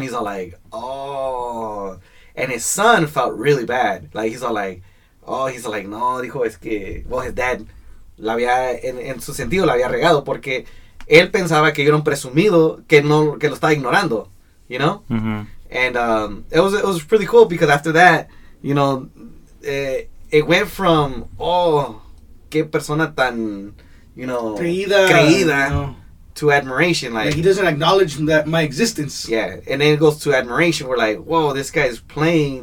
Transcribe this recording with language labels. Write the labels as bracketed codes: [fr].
[en] He's all like, oh. And his son felt really bad. Like, he's all like, Oh, he's like, [es] no, dijo, es que, [en] well, his dad, [es] la había, en su sentido, la había regado, porque él pensaba que yo era un presumido, que no, que lo estaba ignorando, [en] you know? Mm-hmm. And it was pretty cool, because after that, you know, it went from, oh, [es] qué persona tan, [en] you know, [es] creída, [en] to admiration, like, he doesn't acknowledge that my existence. Yeah, and then it goes to admiration. We're like, whoa, this guy is playing.